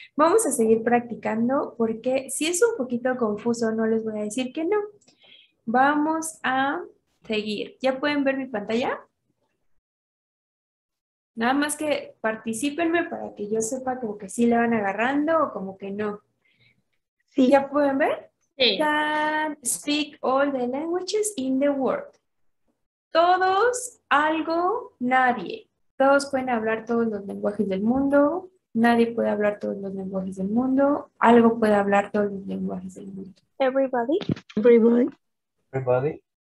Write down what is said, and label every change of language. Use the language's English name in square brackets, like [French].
[Spanish] Vamos a seguir practicando porque si es un poquito confuso, no les voy a decir que no. Vamos a seguir. ¿Ya pueden ver mi pantalla? Nada más que participenme para que yo sepa como que sí la van agarrando o como que no. Sí. ¿Ya pueden ver? Sí. [English] Can speak all the languages in the world. [Spanish] Todos, algo, nadie. Todos pueden hablar todos los lenguajes del mundo. Nadie puede hablar todos los lenguajes del mundo. Algo puede hablar todos los lenguajes del mundo. [English] Everybody. Everybody. Everybody.